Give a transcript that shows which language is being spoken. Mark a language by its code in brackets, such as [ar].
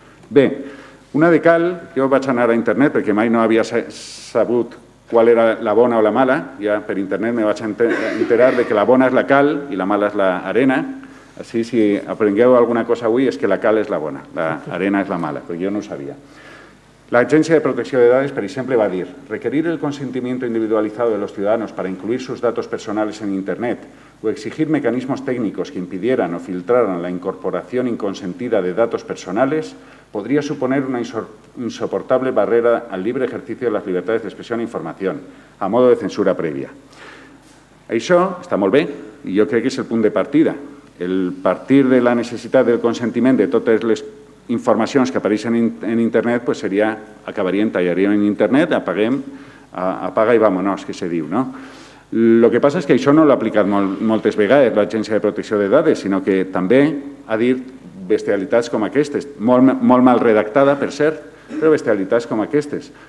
[ca] Bé, una de cal, jo vaig anar a internet perquè mai no havia sabut qual era la bona o la mala, ja per internet me vaig enterar de que la bona és la cal i la mala és l'arena. Així, si aprengueu alguna cosa avui, és que la cal és la bona, l'arena és la mala, perquè jo no ho sabia. L'Agència de Protecció de Dades, per exemple, va dir [es] requerir el consentimiento individualizado de los ciudadanos para incluir sus datos personales en internet o exigir mecanismos técnicos que impidieran o filtraran la incorporación inconsentida de datos personales podría suponer una insoportable barrera al libre ejercicio de las libertades de expresión e información, a modo de censura previa. [ca] Això està molt bé i jo crec que és el punt de partida. El partir de la necessitat del consentiment de totes les informacions que apareixen en internet pues seria, acabarien, tallarien en internet, apaguem, [es] apaga i vamonos, [ca] que se diu, no? El que passa és que això no l'ha aplicat moltes vegades l'Agència de Protecció de Dades, sinó que també ha dit bestialitats com aquestes, molt mal redactada, per cert, però bestialitats com aquestes.